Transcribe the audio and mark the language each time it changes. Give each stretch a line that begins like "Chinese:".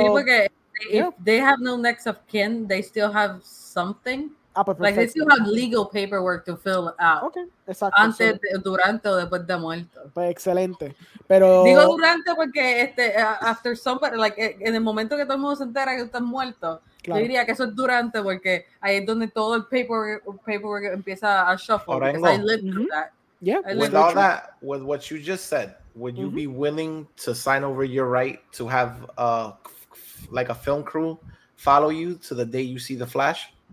Spanish: sí, porque
English: if they have no next of kin, they still have something. Like they still have legal paperwork to fill out.
Spanish: Okay, exacto. Antes, durante o después de muerto. Pues excelente. Pero digo durante porque
English: after somebody, like
Spanish: en el momento que todo el mundo se entera que estás muerto, claro. Yo diría que eso es durante porque ahí es donde todo el paperwork empieza a shuffle. Orengo.
English: I lived through that. Yeah. With all that, with what you just said, would you be willing to sign over your right to have like a film crew follow you to the day you see the Flash?